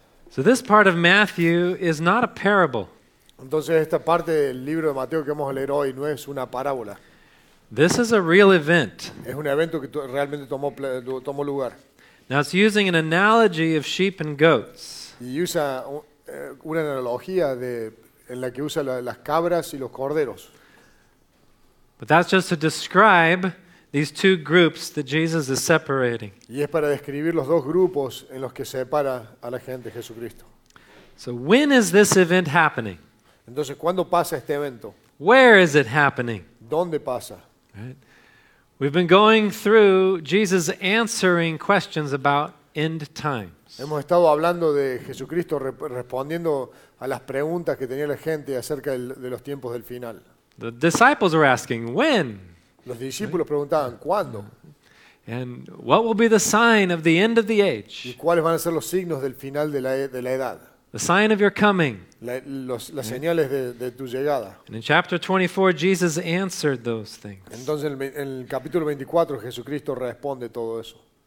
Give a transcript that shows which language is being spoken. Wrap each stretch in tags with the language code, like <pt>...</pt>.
<en>So this part of Matthew is not a parable.</en> <es>Entonces esta parte del libro de Mateo que vamos a leer hoy no es una parábola.</es> <en>This is a real event.</en> <es>Es un evento que realmente tomó lugar.</es> <en>Now it's using an analogy of sheep and goats.</en> <es>Y usa una analogía de en la que usa las cabras y los corderos.</es> <en>But that's just to describe these two groups that Jesus is separating.</en> <es>Y es para describir los dos grupos en los que separa a la gente Jesucristo.</es> <en>So when is this event happening?</en> <es>Entonces, ¿cuándo pasa este evento?</es> <en>Where is it happening?</en> <es>¿Dónde pasa?</es> <en>Right. We've been going through Jesus answering questions about end times.</en> <es>Hemos estado hablando de Jesucristo respondiendo a las preguntas que tenía la gente acerca de los tiempos del final.</es> <en>The disciples were asking, when?</en> <es>Los discípulos preguntaban, ¿cuándo?</es> <en>And what will be the sign of the end of the age?</en> <es>¿Y cuáles van a ser los signos del final de la edad?</es> <en>The sign of your coming.</en> <es>Las señales de tu llegada.</es> <en>And in chapter 24, Jesus answered those things.</en> <es>Entonces en el capítulo 24 Jesucristo responde todo eso.</es>